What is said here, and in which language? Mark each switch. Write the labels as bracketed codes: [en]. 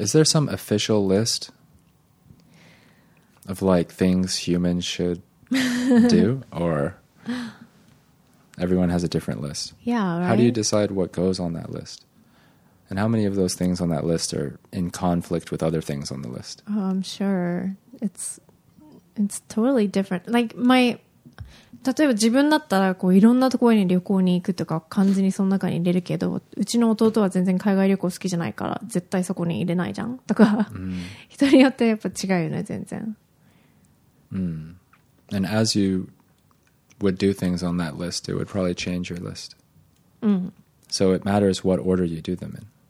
[en] Is there some official list of, like, things humans should do? Or everyone has a different list? Yeah, right? How do you decide what goes on that list? And how many of those things on that list are in conflict with other things on the list? Oh, I'm sure. It's totally different. [ja] Like, 例えば自分だったらこういろんなところに旅行に行くとか完全にその中に入れるけど、うちの弟は全然海外旅行好きじゃないから絶対そこに入れないじゃんとか、人によってやっぱ違うよね、全然。 [en] And as you would do things on that list, it would probably change your list. So it matters what order you do them in.